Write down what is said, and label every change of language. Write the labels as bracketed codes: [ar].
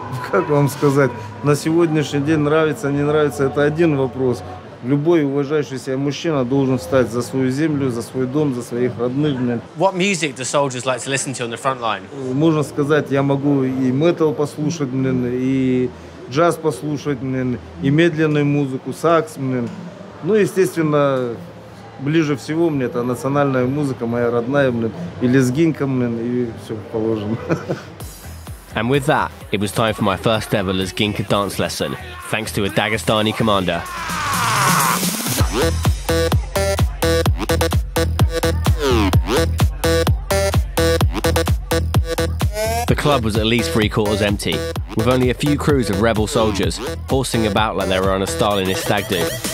[ru] Как вам сказать, на сегодняшний день нравится, не нравится, это один вопрос. Любой уважающий себя мужчина должен встать за свою землю, за свой дом, за своих родных. [en] What music do soldiers like to listen to on the front line? [ru] Можно сказать, я могу и метал послушать, блин, и джаз послушать, блин, и медленную музыку, сакс, блин. Ну, естественно, ближе всего мне это национальная музыка, моя родная, блин, и лезгинка, блин, и все положено. [en] And with that, it was time for my first ever Lezginka dance lesson, thanks to a Dagestani commander. The club was at least three quarters empty, with only a few crews of rebel soldiers horsing about like they were on a Stalinist stag do.